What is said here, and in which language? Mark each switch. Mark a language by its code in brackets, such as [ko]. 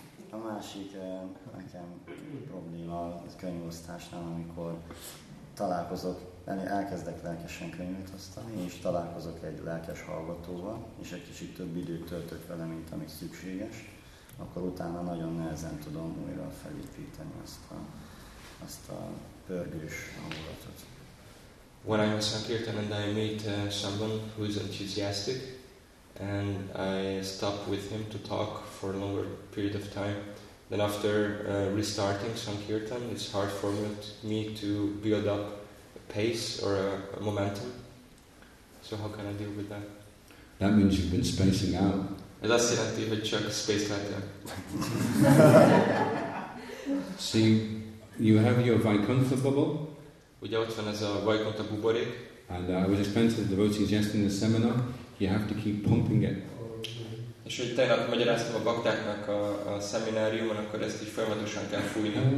[hu] A másik nekem probléma az könyvosztásnál, amikor találkozok, elkezdek lelkesen könyvet osztani, és találkozok egy lelkes hallgatóval, és egy kicsit több időt töltök vele, mint amit szükséges, akkor utána nagyon nehezen tudom újra felépíteni azt a pörgős hangulatot. [en] When I was Sankirtan and I meet someone who is enthusiastic and I stop with him to talk for a longer period of time, then after restarting Sankirtan, it's hard for me to build up a pace or a momentum. So how can I deal with that? That means you've been spacing out. [hu] Ez azt jelenti, hogy csak [en] spaced out. See, you have your Vaikuntha bubble. [hu] Ugye ott van ez a Vaikuntha buborék. [en] And I was explaining to the devotees yesterday in the seminar, you have to keep pumping it. [hu] És hogy tegnap magyaráztam a baktáknak a szemináriumon, akkor ezt így folyamatosan kell fújni.